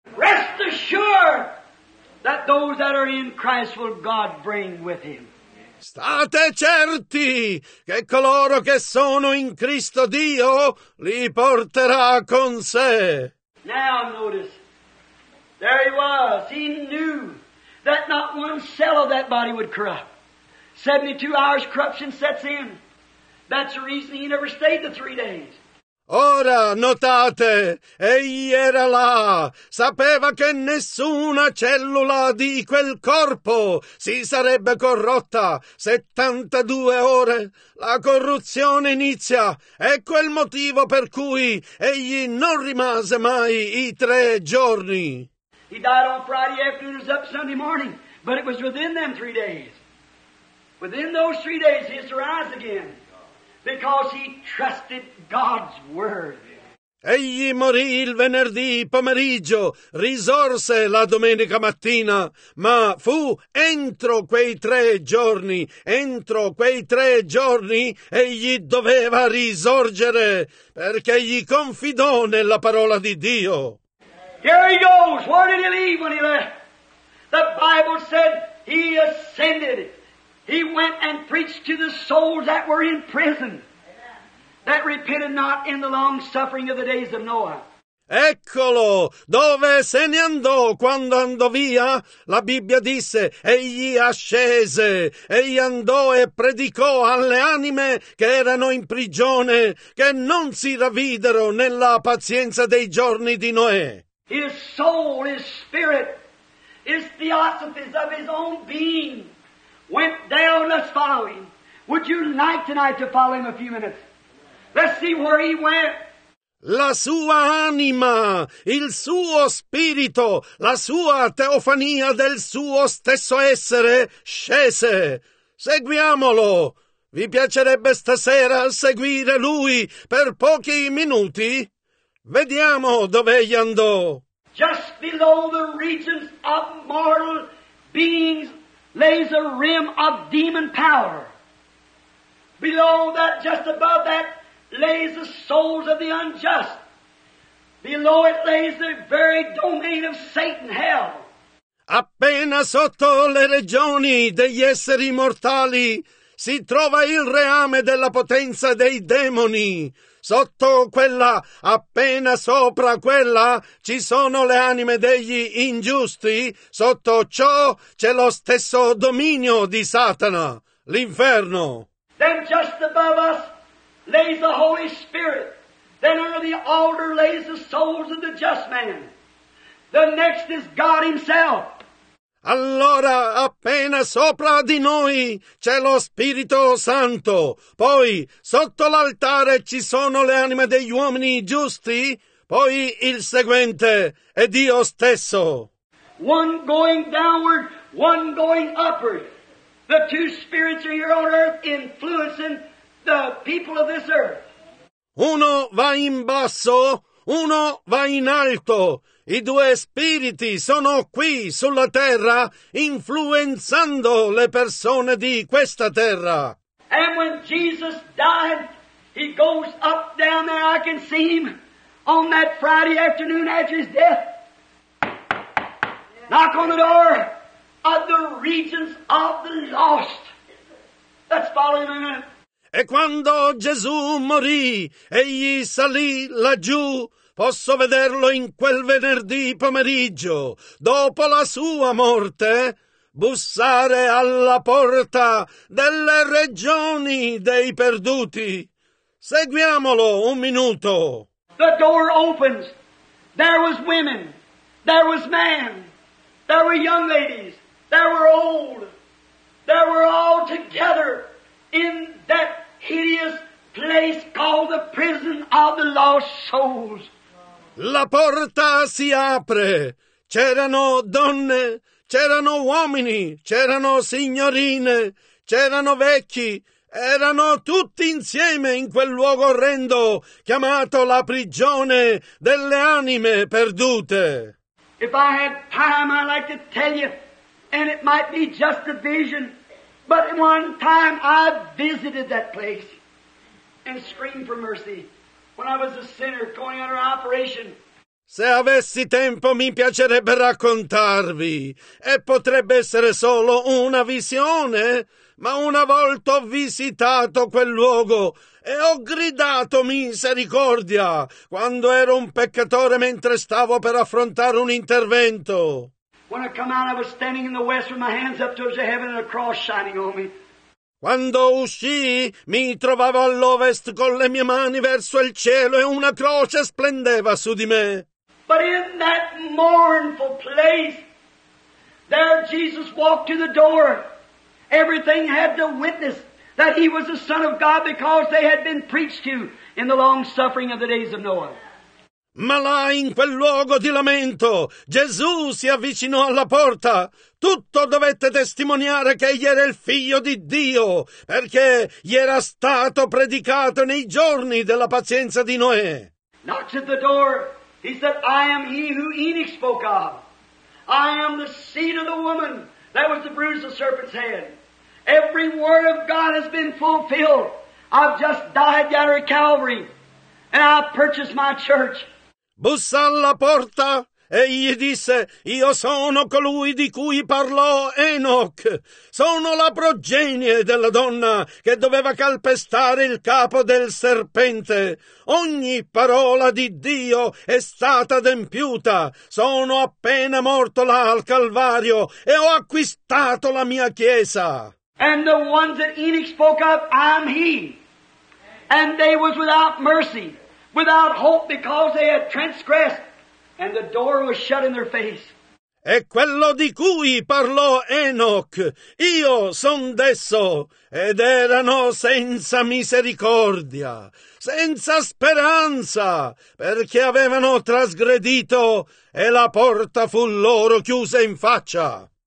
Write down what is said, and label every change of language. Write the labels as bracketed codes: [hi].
[en] Rest assured that those that are in Christ will God bring with him. [it] State certi che coloro che sono in Cristo Dio li porterà con sé. [en] Now notice, there he was. He knew that not one cell of that body would corrupt. 72 hours corruption sets in. That's the reason he never stayed the 3 days. [it] Ora, notate, egli era là, sapeva che nessuna cellula di quel corpo si sarebbe corrotta. 72 ore, la corruzione inizia, ecco il motivo per cui egli non rimase mai i 3 giorni. [en] He died on Friday afternoon, was up Sunday morning, but it was within them 3 days. Within those 3 days, he has to rise again. Because he trusted God's word. [it] Egli morì il venerdì pomeriggio, risorse la domenica mattina, ma fu entro quei tre giorni, egli doveva risorgere, perché gli confidò nella parola di Dio. [en] Here he goes. Where did he leave when he left? The Bible said he ascended. He went and preached to the souls that were in prison, that repented not in the long suffering of the days of Noah. [it] Eccolo dove se ne andò quando andò via. La Bibbia disse, egli ascese, egli andò e predicò alle anime che erano in prigione, che non si ravvidero nella pazienza dei giorni di Noè. [en] His soul, his spirit, his theosophies of his own being. Went down, let's follow him. Would you like tonight to follow him a few minutes? Let's see where he went. [it] La sua anima, il suo spirito, la sua teofania del suo stesso essere scese. Seguiamolo. Vi piacerebbe stasera seguire lui per pochi minuti? Vediamo dove egli andò. [en] Just below the regions of mortal beings lays a rim of demon power. Below that, just above that, lays the souls of the unjust. Below it lays the very domain of Satan, hell. [it] Appena sotto le regioni degli esseri mortali si trova il reame della potenza dei demoni. Sotto quella, appena sopra quella, ci sono le anime degli ingiusti. Sotto ciò c'è lo stesso dominio di Satana, l'inferno. [en] Then just above us lays the Holy Spirit. Then under the altar lays the souls of the just man. The next is God himself. [it] Allora, appena sopra di noi c'è lo Spirito Santo, poi sotto l'altare ci sono le anime degli uomini giusti, poi il seguente è Dio stesso. [en] One going downward, one going upward. The two spirits are here on earth influencing the people of this earth. [it] Uno va in basso, uno va in alto. I due spiriti sono qui sulla terra influenzando le persone di questa terra. [en] And when Jesus died, He goes up down there. I can see him on that Friday afternoon after his death. Knock on the door of the regions of the lost. That's following him. [it] E quando Gesù morì, egli salì laggiù. Posso vederlo in quel venerdì pomeriggio, dopo la sua morte, bussare alla porta delle regioni dei perduti. Seguiamolo un minuto. [en] The door opens. There was women. There was men. There were young ladies. There were old. There were all together in that hideous place called the prison of the lost souls. [it] La porta si apre. C'erano donne, c'erano uomini, c'erano signorine, c'erano vecchi. Erano tutti insieme in quel luogo orrendo chiamato la prigione delle anime perdute. [en] If I had time, I'd like to tell you, and it might be just a vision, but one time I visited that place and screamed for mercy. When I was a sinner going under operation. [it] Se avessi tempo mi piacerebbe raccontarvi, e potrebbe essere solo una visione, ma una volta ho visitato quel luogo e ho gridato misericordia quando ero un peccatore mentre stavo per affrontare un intervento. [en] When I come out, I was standing in the west with my hands up towards the heaven and a cross shining on me. [it] Quando uscii, mi trovavo all'ovest con le mie mani verso il cielo e una croce splendeva su di me. [en] But in that mournful place, there Jesus walked to the door. Everything had to witness that he was the Son of God because they had been preached to in the long suffering of the days of Noah. [it] Ma là, in quel luogo di lamento, Gesù si avvicinò alla porta. Tutto dovette testimoniare che egli era il figlio di Dio, perché gli era stato predicato nei giorni della pazienza di Noè. [en] Knocked at the door. He said, I am he who Enoch spoke of. I am the seed of the woman that was the bruise of the serpent's head. Every word of God has been fulfilled. I've just died down at Calvary, and I purchased my church. [it] Bussa alla porta, e gli disse, io sono colui di cui parlò Enoch. Sono la progenie della donna che doveva calpestare il capo del serpente. Ogni parola di Dio è stata adempiuta. Sono appena morto là al Calvario e ho acquistato la mia chiesa. [en] And the ones that Enoch spoke of, I'm he. And they was without mercy. Without hope because they had transgressed and the door was shut in their face. [it] E quello di cui parlò Enoch, io son desso, ed erano senza misericordia, senza speranza, perché avevano trasgredito e la porta fu loro chiusa in faccia.